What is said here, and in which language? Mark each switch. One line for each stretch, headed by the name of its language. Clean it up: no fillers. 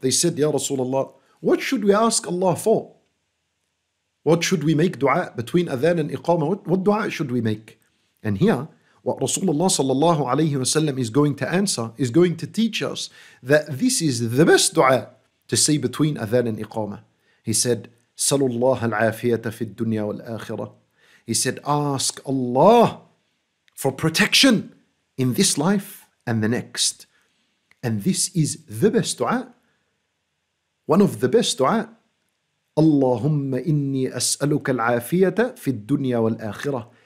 English: They said, Ya Rasulullah, what should we ask Allah for? What should we make dua between adhan and iqamah? What dua should we make? And here, what Rasulullah sallallahu alayhi wa sallam is going to answer, is going to teach us that this is the best dua to say between adhan and iqamah. He said,
Arabic: سَلُوا اللَّهَ الْعَافِيَةَ فِي الدُّنْيَا وَالْآخِرَةِ.
English: He said, ask Allah for protection in this life and the next. And this is the best dua. One of the best dua.
Arabic: اللَّهُمَّ إِنِّي أَسْأَلُكَ الْعَافِيَةَ فِي الدُّنْيَا وَالْآخِرَةِ.